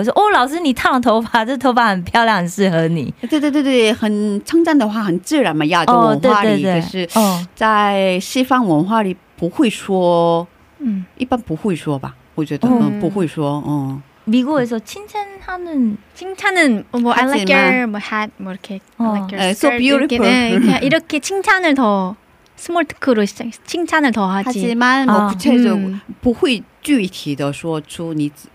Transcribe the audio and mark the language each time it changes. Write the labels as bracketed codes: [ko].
[zh] 不会说出这种话吗？不会说这别人穿了什么衣服啊，然后化妆怎么样啊，你剪了头发呀？可是我上课的时候学生们经常跟我说你剪了头发吗？然后你今天穿了粉红色的衣服啊，紫色的衣服很漂亮啊。可是就像我去上课，我去上运动课的时候，比方说老师原本是直发，他烫了一个头发，我说哦老师你烫了头发，这头发很漂亮，很适合你。对对对对，很称赞的话，很自然嘛，亚洲文化里。可是，在西方文化里不会说，一般不会说吧？我觉得不会说。嗯， [ko] 미국에서 칭찬하는 칭찬은 뭐 [en] I like your hat [ko] 뭐 이렇게 [en] so beautiful [ko] 이렇게 칭찬을 더 스몰 토크로 칭찬을 더 하지. 하지만 뭐 구체적으로 [zh] 不会具体的说出你。